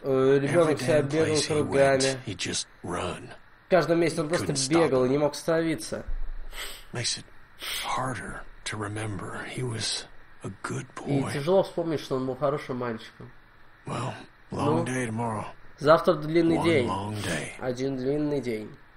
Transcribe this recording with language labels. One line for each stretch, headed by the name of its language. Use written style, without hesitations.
Russian: Ребенок всегда бегал кругами.
English: He just run.
Russian: В каждом месте он просто бегал и не мог остановиться.
English: Makes it harder to remember he was a good boy.
Russian: И тяжело вспомнить, что он был хорошим мальчиком.
English: Well, long day tomorrow.
Russian: Завтра длинный день.
English: One long day.
Russian: Один длинный день.